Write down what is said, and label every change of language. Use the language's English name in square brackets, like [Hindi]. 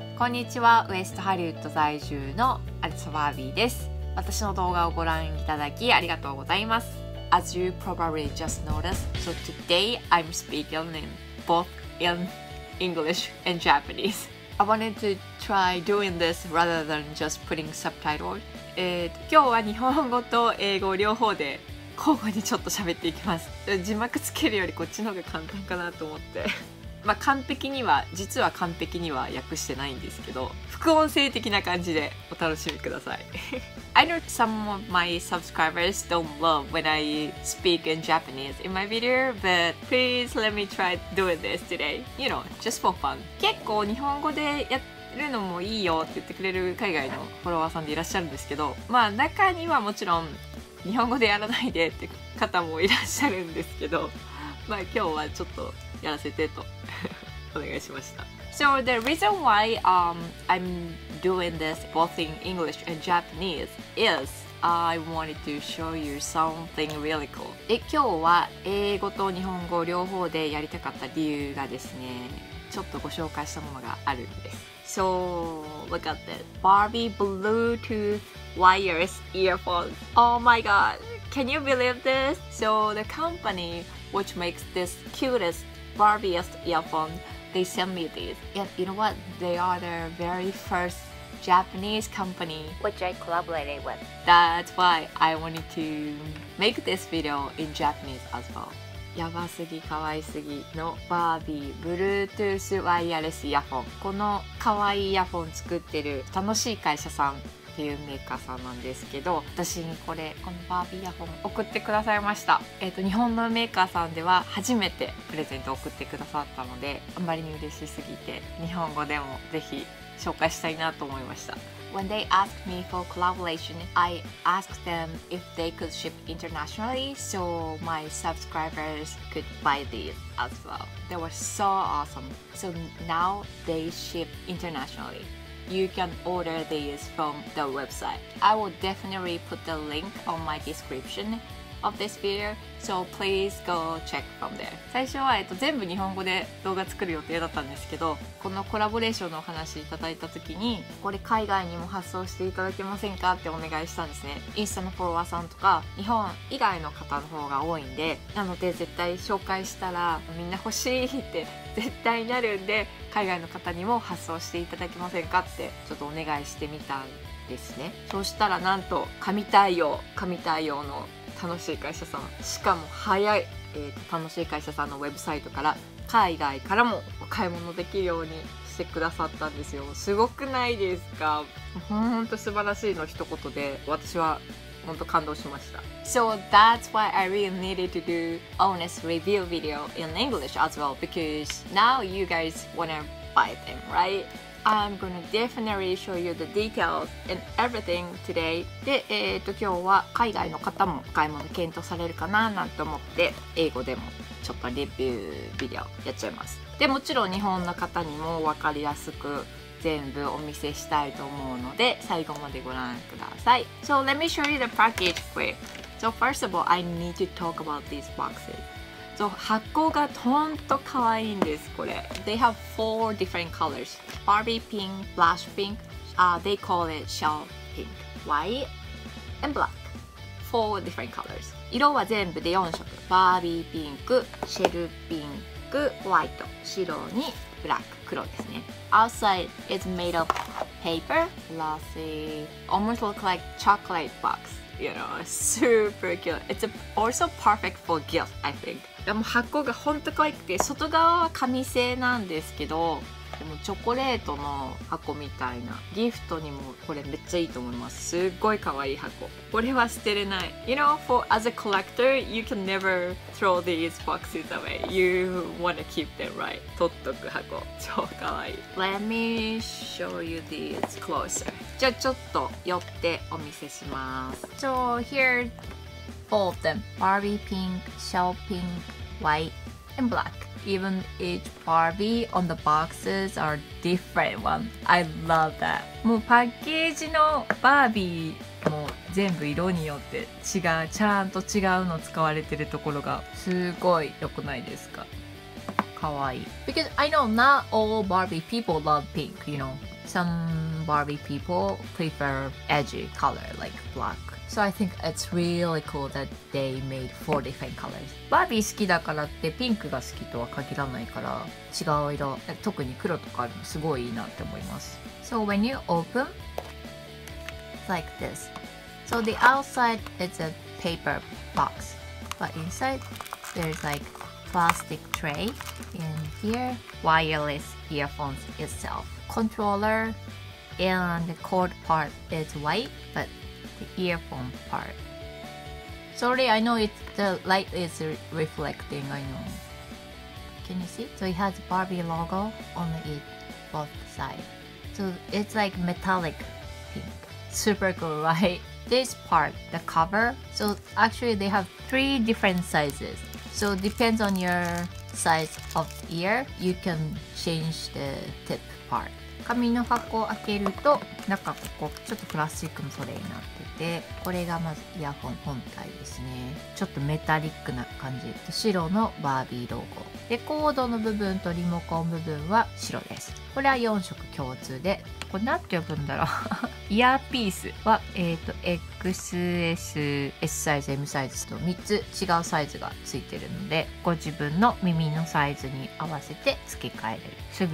[Japanese] こんにちは、ウエストハリウッド在住のアリサ・バービーです。私の動画をご覧いただきありがとうございます。 [English] As you probably just noticed, so today I'm speaking in both in English and Japanese. I wanted to try doing this rather than just putting subtitles. [Japanese] 今日は日本語と英語両方で交互にちょっと喋っていきます。字幕つけるよりこっちの方が簡単かなと思って、まあ完璧には、実は完璧には訳してないんですけど、副音声的な感じでお楽しみください。 [English] I know some of my subscribers don't love when I speak in Japanese in my video, but please let me try doing this today, you know, just for fun. [Japanese] 結構日本語でやっいるのもいいよって言ってくれる海外のフォロワーさんでいらっしゃるんですけど、まあ中にはもちろん日本語でやらないでって方もいらっしゃるんですけど、まあ今日はちょっとやらせてとお願いしました。 [English] So the reason why I'm doing this both in English and Japanese is I wanted to show you something really cool. [Japanese] で今日は英語と日本語両方でやりたかった理由がですね、ちょっとご紹介したものがあるんです。 [English] So, look at this. Barbie Bluetooth wireless earphones. Oh my god, can you believe this? So, the company which makes this cutest, Barbiest earphone, they sent me these. And you know what? They are the very first Japanese company which I collaborated with. That's why I wanted to make this video in Japanese as well. [Japanese] やばすぎ、かわいすぎのバービー Bluetooth ワイヤレスイヤホン。このかわいいイヤホン作ってる楽しい会社さんっていうメーカーさんなんですけど、私にこれ、このバービーイヤホン送ってくださいました。日本のメーカーさんでは初めてプレゼント送ってくださったので、あまりに嬉しすぎて日本語でもぜひ紹介したいなと思いました。 [English] When they asked me for collaboration, I asked them if they could ship internationally so my subscribers could buy these as well. They were so awesome. So now they ship internationally. You can order these from the website. I will definitely put the link on my description of this video, so please go check from there. [Japanese] 最初は全部日本語で動画作る予定だったんですけど、このコラボレーションのお話いただいた時に、これ海外にも発送していただけませんかってお願いしたんですね。インスタのフォロワーさんとか日本以外の方の方が多いんで、なので絶対紹介したらみんな欲しいって絶対なるんで、海外の方にも発送していただけませんかってちょっとお願いしてみたんですね。そうしたらなんと神対応の楽しい会社さん、しかも早い、楽しい会社さんのウェブサイトから海外からもお買い物できるようにしてくださったんですよ。すごくないですか。本当素晴らしいの一言で、私は本当感動しました。 [English] So that's why I really needed to do honest review video in English as well, because now you guys wanna buy them, right? I'm gonna definitely show you the details and everything today. [Japanese] で、今日は海外の方も買い物検討されるかななんて思って、英語でもちょっとレビュービデオやっちゃいます。でもちろん日本の方にも分かりやすく全部お見せしたいと思うので、最後までご覧ください。 [English] So let me show you the package quick. So first of all, I need to talk about these boxes. [Japanese] そう、箱がとんと可愛いんです、これ。 [English] They have four different colors. Barbie pink, blush pink, they call it shell pink. White and black. Four different colors. [Japanese] 色は全部で4色。 [English] Barbie pink, shell pink, white. [Japanese] 白に black, 黒ですね。 [English] Outside is made of paper. Glossy. Almost look like chocolate box. You know, super cute. It's also perfect for gift, I think. [Japanese] でも箱が本当可愛くて、外側は紙製なんですけど、でもチョコレートの箱みたいな、ギフトにもこれめっちゃいいと思います。すっごい可愛い箱、これは捨てれない。 [English] You know, for as a collector, you can never throw these boxes away. You wanna keep them, right? [Japanese] 取っとく箱、超可愛い。 [English] Let me show you these closer. [Japanese] じゃあちょっと寄ってお見せします。 [English] So hereAll of them. Barbie pink, shell pink, white, and black. Even each Barbie on the boxes are different one. I love that. [Japanese] もうパッケージのバービーもう全部色によって違う、ちゃんと違うの使われてるところがすごい良くないですか。かわいい。 [English] Because I know not all Barbie people love pink, you know. Some Barbie people prefer edgy color like black. So I think it's really cool that they made four different colors. [Japanese] Barbie 好きだからってピンクが好きとは限らないから、違う色、特に黒とかあるのすごいいいなって思います。 [English] So when you open, it's like this. So the outside is a paper box, but inside there's like plastic tray, and here wireless earphones itself. Controller and the cord part is white, but the earphone part. Sorry, I know it's the light is reflecting, I know. Can you see? So it has Barbie logo on it both sides. So it's like metallic pink. Super cool, right? This part, the cover. So actually they have three different sizes. So depends on your size of ear, you can change the tip part. [Japanese] 紙の箱を開けると、中ここちょっとプラスチックのトレイになってて、これがまずイヤホン本体ですね。ちょっとメタリックな感じ。白のバービーロゴ。で、コードの部分とリモコン部分は白です。これは4色共通で、これ何て呼ぶんだろう。イヤーピースは、XS、S サイズ、M サイズと3つ違うサイズがついてるので、ご自分の耳のサイズに合わせて付け替えれる。